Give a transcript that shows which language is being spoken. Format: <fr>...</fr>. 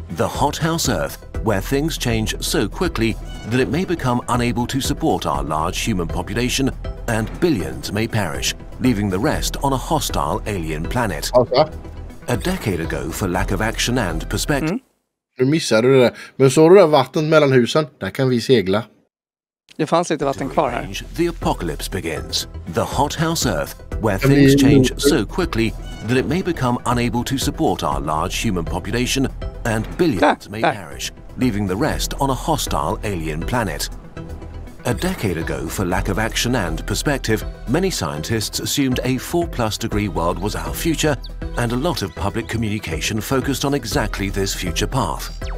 <en>The hothouse Earth, where things change so quickly that it may become unable to support our large human population and billions may perish, leaving the rest on a hostile alien planet. Okay. A decade ago, for lack of action and perspective...</en> <sv>Mm. Nu missade du det där. Men såg du det där vattnet mellan husen? Där kan vi segla. Det fanns lite vatten kvar här.</sv> <en>The apocalypse begins. The hothouse Earth, where things change so quickly that it may become unable to support our large human population and billions may perish, leaving the rest on a hostile alien planet. A decade ago, for lack of action and perspective, many scientists assumed a 4-plus degree world was our future, and a lot of public communication focused on exactly this future path.</en>